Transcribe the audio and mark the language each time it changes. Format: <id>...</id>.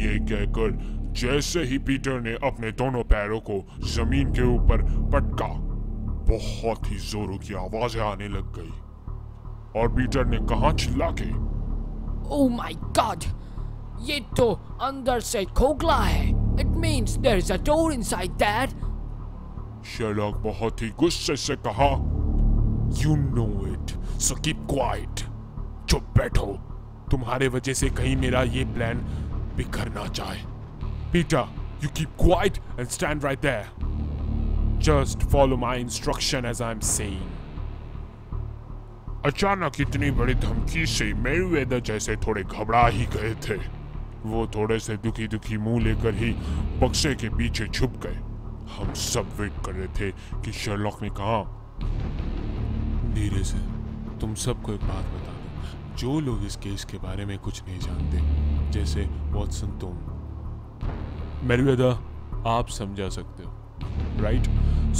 <hi>ये कहकर जैसे ही पीटर ने अपने दोनों पैरों को जमीन के ऊपर पटका, बहुत ही जोरों की आवाजें आने लग गई, और पीटर ने कहा चिल्ला के, ओह माय गॉड, ये तो अंदर से खोखला है।</hi> <en>It means there is a door inside that. Sherlock</en> <hi>बहुत ही गुस्से से कहा,</hi> <en>You know it, so keep quiet.</en> <hi>चुप बैठो, तुम्हारे वजह से कहीं मेरा ये प्लान बिखर ना जाए।</hi> <en>Peter, you keep quiet and stand right there. Just follow my instruction as I'm saying.</en> <hi>अचानक इतनी बड़ी धमकी से मेरीवेदर जैसे थोड़े घबरा ही गए थे। वो थोड़े से दुखी दुखी मुंह लेकर ही बक्से के पीछे छुप गए। हम सब वेट कर रहे थे कि शर्लॉक ने कहा, धीरे से, तुम सबको एक बात बता दो, जो लोग इस केस के बारे में कुछ नहीं जानते, जैसे वॉटसन तुम, मेरीवेदर आप समझा सकते हो, राइट?</hi>